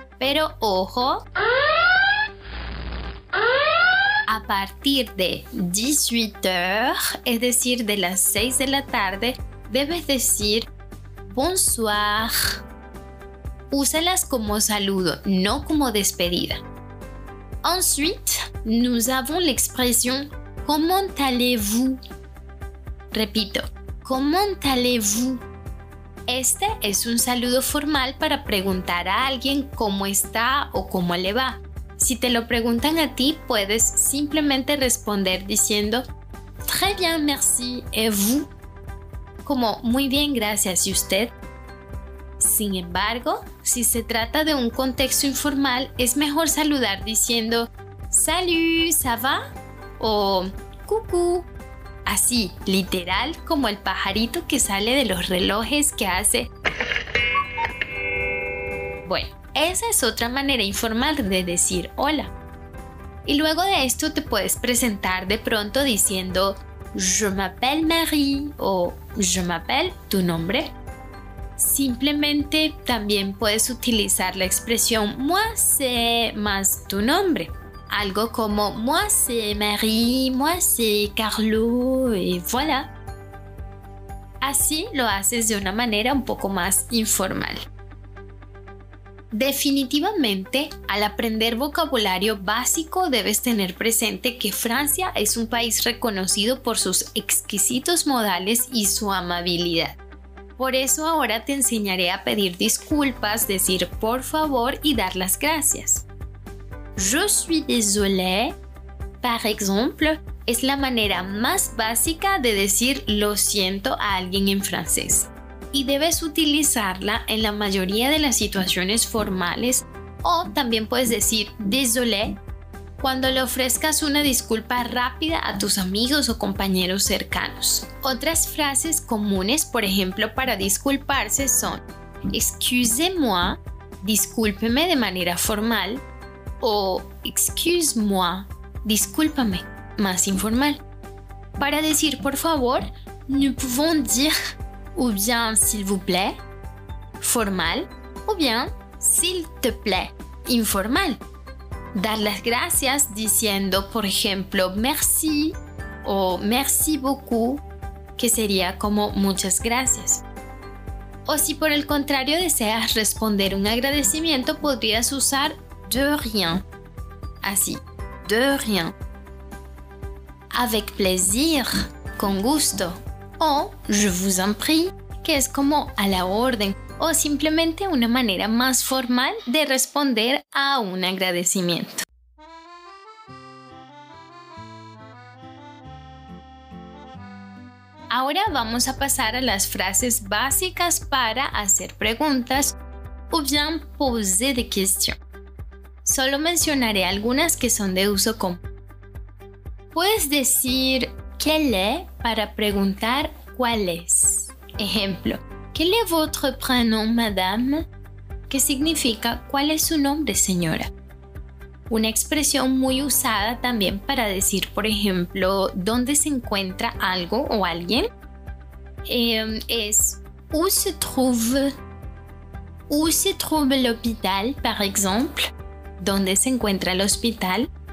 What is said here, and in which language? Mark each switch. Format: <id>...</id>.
<es>Pero ojo, a partir de 18h, es decir, de las 6 de la tarde, debes decir bonsoir. Úsalas como saludo, no como despedida.</es> <fr>Ensuite, nous avons l'expression comment allez-vous?</fr> <es>Repito,</es> <fr>comment allez-vous?</fr> <es>Este es un saludo formal para preguntar a alguien cómo está o cómo le va. Si te lo preguntan a ti, puedes simplemente responder diciendo</es> <fr>très bien, merci, et vous?</fr> <es>Como muy bien, gracias, ¿y usted? Sin embargo, si se trata de un contexto informal, es mejor saludar diciendo</es> <fr>salut, ça va?</fr> <es>O coucou. Así, literal, como el pajarito que sale de los relojes que hace. Bueno, esa es otra manera informal de decir hola. Y luego de esto te puedes presentar de pronto diciendo</es> <fr>Je m'appelle Marie</fr> <es>o</es> <fr>Je m'appelle</fr> <es>tu nombre. Simplemente también puedes utilizar la expresión</es> <fr>Moi c'est</fr> <es>más tu nombre. Algo como,</es> <fr>moi c'est Marie, moi c'est Carlo,</fr> <es>y</es> <fr>voilà.</fr> <es>Así lo haces de una manera un poco más informal. Definitivamente, al aprender vocabulario básico, debes tener presente que Francia es un país reconocido por sus exquisitos modales y su amabilidad. Por eso ahora te enseñaré a pedir disculpas, decir por favor y dar las gracias.</es> <fr>Je suis désolé,</fr> <es>par exemple, es la manera más básica de decir lo siento a alguien en francés. Y debes utilizarla en la mayoría de las situaciones formales o también puedes decir désolé cuando le ofrezcas una disculpa rápida a tus amigos o compañeros cercanos. Otras frases comunes, por ejemplo, para disculparse son</es> <fr>excusez-moi,</fr> <es>discúlpeme de manera formal, o</es> <fr>excuse moi,</fr> <es>discúlpame, más informal. Para decir por favor,</es> <fr>nous pouvons dire ou bien s'il vous plaît,</fr> <es>formal, o bien</es> <fr>s'il te plaît,</fr> <es>informal. Dar las gracias diciendo, por ejemplo, merci o</es> <fr>merci beaucoup,</fr> <es>que sería como muchas gracias. O si por el contrario deseas responder un agradecimiento, podrías usar</es> <fr>de rien.</fr> <es>Así,</es> <fr>de rien. Avec plaisir,</fr> <es>con gusto. O</es> <fr>je vous en prie,</fr> <es>que es como a la orden. O simplemente una manera más formal de responder a un agradecimiento. Ahora vamos a pasar a las frases básicas para hacer preguntas.</es> <fr>Ou bien poser des questions.</fr> <es>Solo mencionaré algunas que son de uso común. Puedes decir</es> <fr>quel est</fr> <es>para preguntar cuál es. Ejemplo,</es> <fr>quel est votre prénom, madame?</fr> <es>Que significa cuál es su nombre, señora. Una expresión muy usada también para decir, por ejemplo, dónde se encuentra algo o alguien es</es> <fr>où se trouve l'hôpital, par exemple,</fr> <es>dónde se encuentra el hospital.</es>